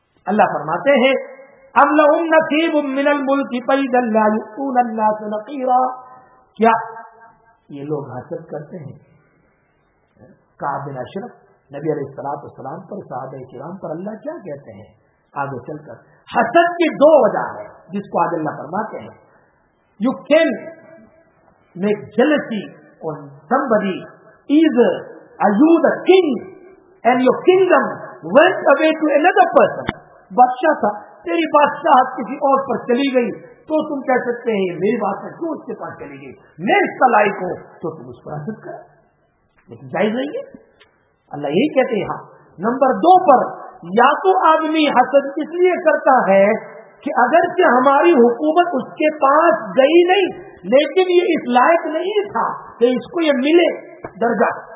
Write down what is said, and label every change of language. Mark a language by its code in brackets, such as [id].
[ur] اللہ فرماتے ہیں, [ar] اَمْ لَهُمْ نَصِيبٌ مِّنَ الْمُلْكِ فَإِذًا لَّا يُؤْتُونَ النَّاسَ نَقِيرًا. [ur] کیا یہ لوگ حسد کرتے ہیں؟ کعب بن اشرف نبی علیہ الصلوۃ والسلام پر, صحابہ کرام پر اللہ کیا کہتے ہیں؟ آگے چل کر حسد کی دو وجہ ہے جس کو آج اللہ فرماتے ہیں. [en] You can make jealousy on somebody either are you the king and your kingdom went away to another person. [ur] بادشاہ تھا, تیری بادشاہت کسی اور پر چلی گئی, تو تم کہہ سکتے ہیں میری بادشاہت کیوں اس کے پاس چلی گئی, میں اس کا لائق ہوں, تو تم اس پر حسد کرو, لیکن جائز نہیں ہے. اللہ یہی کہتے ہیں. نمبر دو پر, یا تو آدمی حسد اس لیے کرتا ہے کہ اگرچہ ہماری حکومت اس کے پاس گئی نہیں لیکن یہ اس لائق نہیں تھا کہ اس کو یہ ملے درجہ.